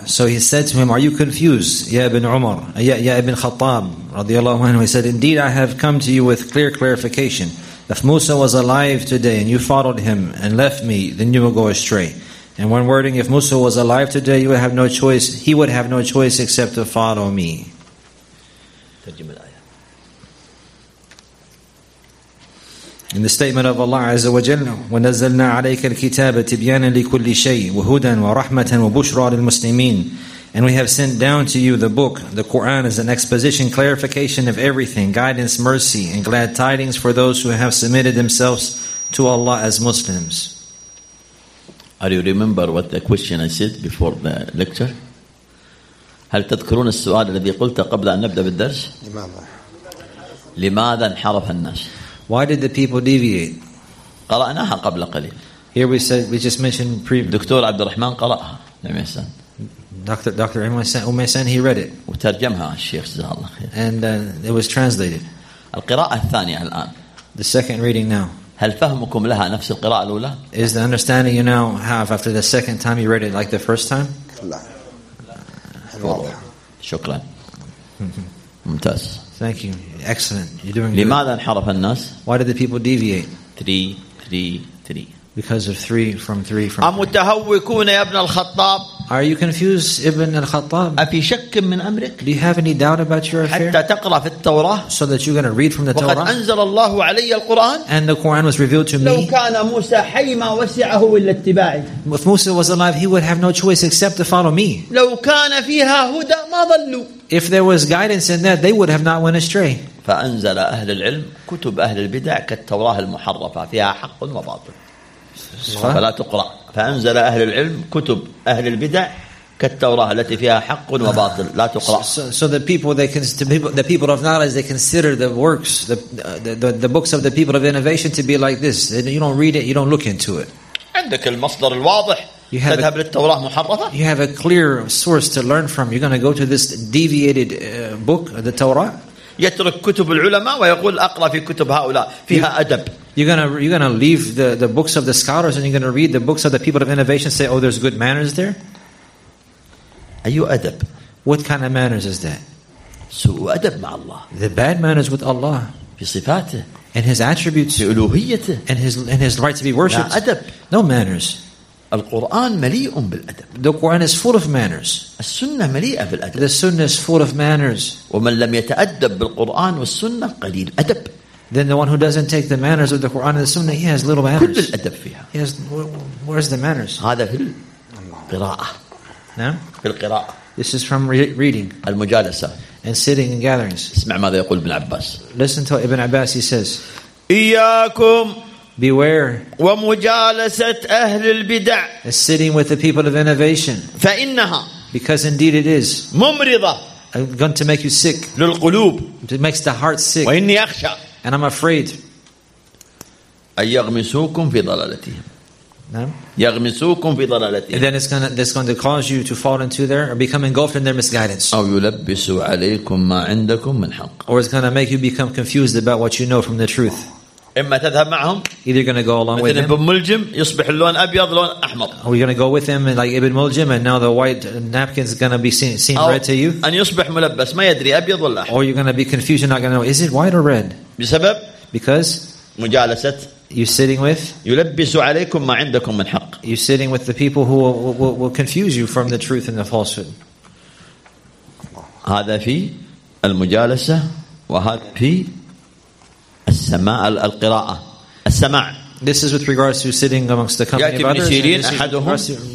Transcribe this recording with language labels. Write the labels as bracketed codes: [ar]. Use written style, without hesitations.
[en] So he said to him, "Are you confused, Ya ibn Umar, Ya ibn Khattab radiyallahu anhu?" He said, "Indeed, I have come to you with clear clarification. If Musa was alive today and you followed him and left me, then you will go astray. And one wording, if Musa was alive today, you would have no choice. He would have no choice except to follow me." In the statement of Allah Azza wa Jalla, [ar] وَنَزَّلْنَا عَلَيْكَ الْكِتَابَ تِبْيَانًا لِكُلِّ شَيْءٍ وَهُدًى وَرَحْمَةً وَبُشْرَى لِلْمُسْلِمِينَ. [en] And we have sent down to you the book, the Quran, as an exposition, clarification of everything, guidance, mercy, and glad tidings for those who have submitted themselves to Allah as Muslims. Are you remember what the question I said before the lecture? [ar] هل تذكرون السؤال الذي قلت قبل أن نبدأ بالدرس؟ لماذا انحرف الناس؟ [en] Why did the people deviate? [ar] قرأناها قبل قليل. [en] Here we said we just mentioned previously. [ar] دكتور عبد الرحمن قرأها. نعم يا سان. [en] Dr. Umaysan, he read it. [ar] وترجمها الشيخ جزاه الله خير. [en] And it was translated. [ar] القراءة الثانية الآن. [en] The second reading now. [ar] هل فهمكم لها نفس القراءة الأولى? [en] Is the understanding you now have after the second time you read it like the first time? [ar] لا. شكرا. ممتاز. [en] Thank you. Excellent. You're doing good. [ar] لماذا انحرف الناس? [en] Why did the people deviate? Three. Because of three, from three, from three. [ar] أمتهوكون يا ابن الخطاب? [en] Are you confused, Ibn al-Khattab? [ar] أفي شك من أمرك? [en] Do you have any doubt about your affair? [ar] حتى تقرأ في التوراة? [en] So that you're going to read from the Torah? [ar] وقد أنزل الله علي القرآن? [en] And the Quran was revealed to me? [ar] لو كان موسى حي ما وسعه إلا اتباعي. [en] If Musa was alive, he would have no choice except to follow me. [ar] لو كان فيها هدى ما ضلوا. [en] If there was guidance in that, they would have not went astray. [ar] فأنزل أهل العلم كتب أهل البدع كالتوراة المحرفة فيها حق وباطل. فلا تقرأ. فأنزل أهل العلم كتب أهل البدع كالتوراة التي فيها حق وباطل لا تقرأ. [en] So the people the people of knowledge they consider the works the books of the people of innovation to be like this. You don't read it. You don't look into it. [ar] عندك المصدر الواضح. [en] You have a clear source to learn from. You're going to go to this deviated book, the Torah. [ar] يترك كتب العلماء ويقول أقرأ في كتب هؤلاء فيها أدب. [en] You're gonna leave the books of the scholars and you're gonna read the books of the people of innovation. Say, oh, there's good manners there. [ar] أي أدب. [en] What kind of manners is that? [ar] سوء أدب مع الله. [en] The bad manners with Allah. [ar] في صفاته. [en] And His attributes. [ar] في ألوهيته. [en] And His right to be worshipped. [ar] لا أدب. [en] No manners. [ar] القرآن مليء بالأدب. [en] The Quran is full of manners. [ar] السنة مليئة بالأدب. [en] The Sunnah is full of manners. [ar] ومن لم يتأدب بالقرآن والسنة قليل أدب. [en] Then the one who doesn't take the manners of the Quran and the Sunnah, he has little manners. [ar] كل الأدب فيها. [en] He has. Where's the manners? [ar] هذا في القراءة. نعم. في القراءة. [en] This is from reading. [ar] المجالسة. [en] And sitting in gatherings. [ar] اسمع ماذا يقول ابن عباس. [en] Listen to what Ibn Abbas. He says. [ar] إياكم. [en] Beware. [ar] ومجالسة أهل البدع. [en] Is sitting with the people of innovation. [ar] فإنها. [en] Because indeed it is. [ar] ممرضة. [en] Going to make you sick. [ar] للقلوب. [en] It makes the heart sick. [ar] وإني أخشى. [en] And I'm afraid. [ar] أن يغمسوكم في ضلالتهم. نعم. يغمسوكم في ضلالتهم. [en] And then it's going to cause you to fall into there or become engulfed in their misguidance. [ar] أو يلبسوا عليكم ما عندكم من حق. [en] Or it's going to make you become confused about what you know from the truth. [ar] إما تذهب معهم. [en] Either you're going to go along with them. [ar] مثل ابن ملجم يصبح اللون أبيض لون أحمر. [en] Or you're going to go with them like Ibn Muljim and now the white napkin is going to be seen red to you. [ar] أن يصبح ملبس ما يدري أبيض ولا أحمر. [en] Or you're going to be confused and not going to know is it white or red. [ar] بسبب. [en] Because. [ar] مجالسة. [en] You're sitting with. [ar] يلبس عليكم ما عندكم من حق. [en] You're sitting with the people who will confuse you from the truth and the falsehood. [ar] هذا في المجالسة وهذا في. السماع القراءة السماع. [en] This is with regards to sitting amongst the company of others. [ar] سيرين أحدهم.